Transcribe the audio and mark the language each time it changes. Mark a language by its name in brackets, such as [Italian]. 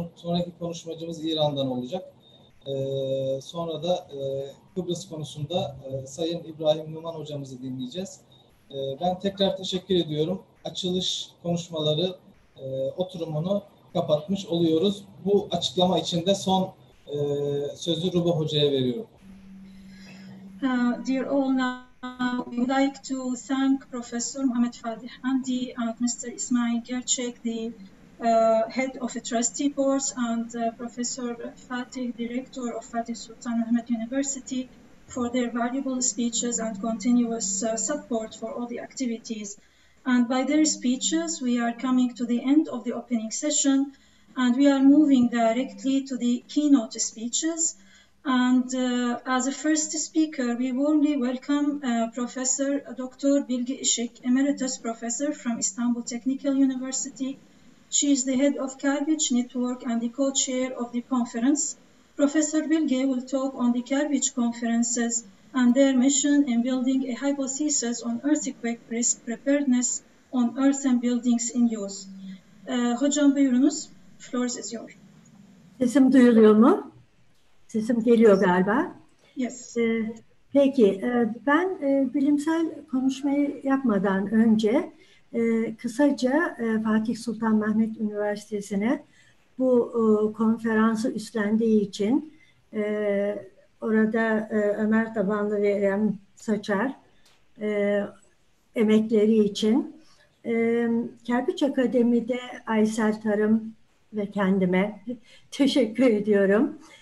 [Turkish] Sonraki konuşmacımız İran'dan olacak. Sonra da Kıbrıs konusunda Sayın İbrahim Numan Hocamızı dinleyeceğiz. Ben tekrar teşekkür ediyorum. Açılış konuşmaları oturumunu kapatmış oluyoruz. Bu açıklama içinde son sözü Ruba Hoca'ya veriyorum. [English] Dear all, now we would like to thank Professor Mohamed Fatih Andy and Mr. Ismail Gerçek, the head of the trustee boards, and Professor Fatih, director of Fatih Sultan Mehmet University, for their valuable speeches and continuous support for all the activities. And by their speeches, we are coming to the end of the opening session, and we are moving directly to the keynote speeches. And as a first speaker, we warmly welcome Professor Dr. Bilge Işık, Emeritus Professor from Istanbul Technical University. She is the head of Kerpiç Network and the co-chair of the conference. Professor Bilge will talk on the Kerpiç conferences and their mission in building a hypothesis on earthquake risk preparedness on earth and buildings in use. [Turkish] Hocam buyurunuz, [English] floor is yours. [Turkish] Sesim duyuluyor mu? Sesim geliyor galiba. [English] Yes. [Turkish] Peki, ben bilimsel konuşmayı yapmadan önce kısaca Fatih Sultan Mehmet Üniversitesi'ne bu konferansı üstlendiği için orada Ömer Tabanlı ve Erem Saçar emekleri için Kerpiç Akademi'de Aysel Tarım ve kendime teşekkür ediyorum.